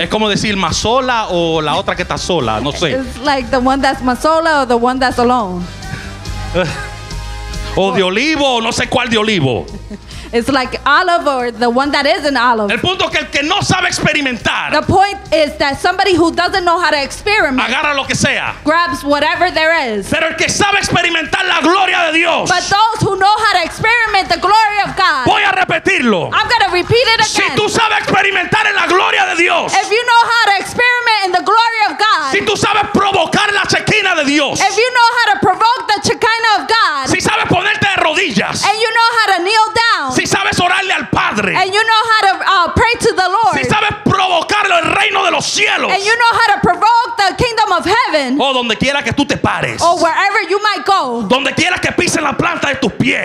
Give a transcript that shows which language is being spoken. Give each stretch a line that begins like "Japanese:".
Spanish: Es como decir Mazola o la otra que está sola, no sé.
English: It's like the one that's Mazola or the one that's alone.
Spanish: O de olivo, no sé cuál de olivo.
English: It's like olive or the one that isn't olive.
Spanish: El punto es que el que no sabe experimentar.
English: The point is that somebody who doesn't know how to experiment.
Spanish: Agarra lo que sea.
English: Grabs whatever there is.
Spanish: Pero el que sabe experimentar la gloria de Dios.
English: But those who know how to experiment the glory of God.
Spanish: Voy a repetirlo.
English: I'm going to repeat it again.
Spanish: Si tú sabes experimentar en la gloria de Dios.
English: If you know how to experiment in the glory of God.
Spanish: Si tú sabes provocar la Shekinah de Dios.
English: If you know how to provoke the Shekinah of God.
Spanish: Si sabes ponerte de rodillas.
English: And you know how to kneel down.
Spanish: Si sabes orarle al Padre.
English: And you know how to pray to the Lord.
Spanish: Si sabes provocar el reino de los cielos.
English: And you know how to provoke the kingdom of heaven.
Spanish: O donde quiera que tú te pares.
English: Or wherever you might go.
Spanish: Donde quiera que pisen la planta de tus pies.